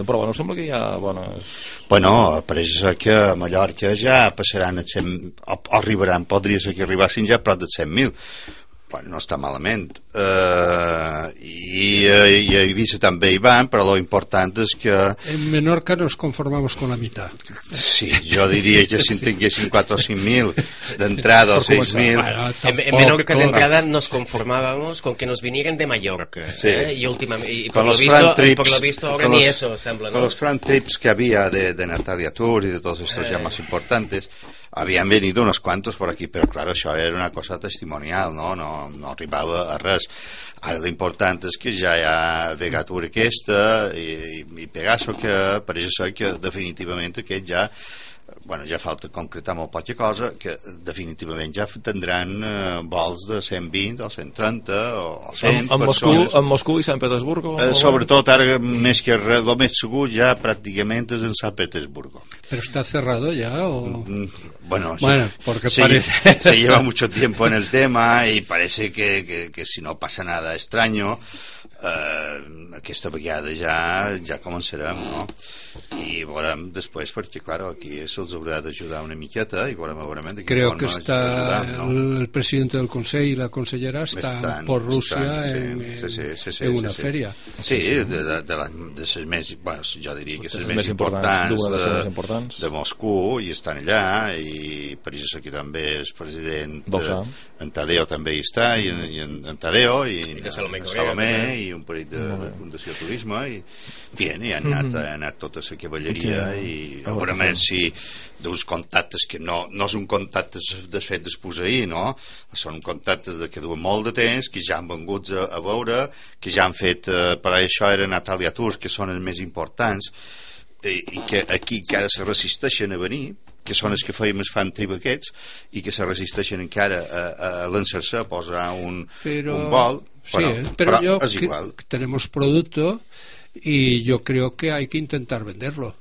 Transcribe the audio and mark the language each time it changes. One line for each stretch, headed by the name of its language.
Catalan: Però bueno, sembla que hi ha bones... Bueno, pareixer que a Mallorca ja passaran els 100... O arribaran, podria ser que arribassin ja prop dels 100.000. Bueno, no està malament. I a Eivissa també hi van, però lo important és que...
Spanish: En Menorca nos conformamos con la mitad.
Catalan: Sí, jo diria que si en tinguessin 4 o 5 mil d'entrada, o 6 mil...
Spanish: En Menorca d'entrada nos conformábamos con que nos vinieran de Mallorca. Sí. I últimament... I per lo visto ahora ni eso, sembla, no? Con los fran trips que havia de Natalia Tour i de tots estos ja más importantes...
Catalan: Havien venit uns quants per aquí, però clar, això era una cosa testimonial, no arribava a res. Ara l'important és que ja hi ha Vegatur aquesta i Pegaso, que per això que definitivament aquest ja, bueno, ja falta concretar molt poca cosa, que definitivament ja tindran vols de 120 o 130 o 100 en Moscou, persones. En Moscou i Sant Petersburg? Sobretot ara, més que res, el més segur ja pràcticament és en Sant Petersburg. Però està cerrado ja o...? Bueno,
Spanish: porque parece... Se lleva mucho tiempo en el tema y parece que si no pasa nada extraño, aquesta vegada ja començarem, no?
Catalan: I veurem després, perquè, claro, aquí se'ls haurà d'ajudar una miqueta i veurem, veurem...
Spanish: Creo que està el presidente del Consell i la consellera estan por Rússia en una fèria.
Catalan: Sí, de les més... Bueno, jo diria que les més importants de Moscou, i estan allà, i per això aquí també és president... En Tadeo també hi està, i en Tadeo, i en Salomé, i un parell de Fundació Turisme, i bien, i ha anat tota la cavalleria, i segurament si d'uns contactes que no són contactes de fet d'espos ahir, no? Són contactes que duen molt de temps, que ja han vengut a veure, que ja han fet, per això era Natalia Tours, que són els més importants, i que aquí encara se resisteixen a venir, que són els que fèiem els fan trip aquests i que se resisteixen encara a lançar-se a posar un vol. Sí, però jo és igual.
Spanish: Tenemos producto y yo creo que hay que intentar venderlo.